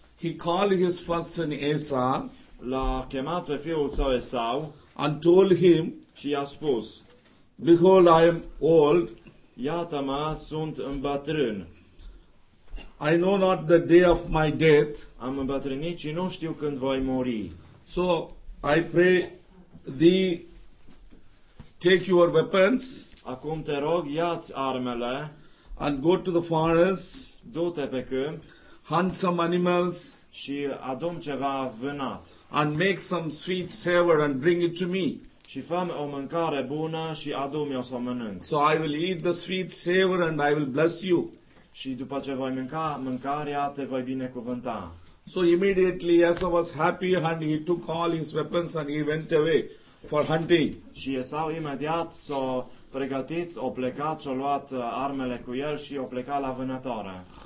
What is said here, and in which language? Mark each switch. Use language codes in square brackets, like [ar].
[en] He called his first son Esau. [ro] L-a chemat pe fiul său Esau. [en] And told him. [ro] Și i-a spus. [en] Behold, I am old. [ro] Iată-mă, sunt îmbătrân. [en] I know not the day of my death. [ro] Am îmbătrânit și nu știu când voi muri. [en] So I pray thee, take your weapons. [ro] Acum te rog, ia-ți armele. [en] And go to the forest. [ro] Du-te pe câmp. [en] Hunt some animals. [ro] Și adum ceva vânat. [en] And make some sweet savor and bring it to me. [ro] Și fă-mi o mâncare bună și adu-mi-o să o mănânc. [en] So I will eat the sweet savor and I will bless you. [ro] Și după ce voi mânca mâncarea, te voi binecuvânta. [en] So immediately Esau was happy and he took all his weapons and he went away for hunting. [ro] Și Esau imediat s-a pregătit, a plecat, și-a luat armele cu el și a plecat la vânătoare.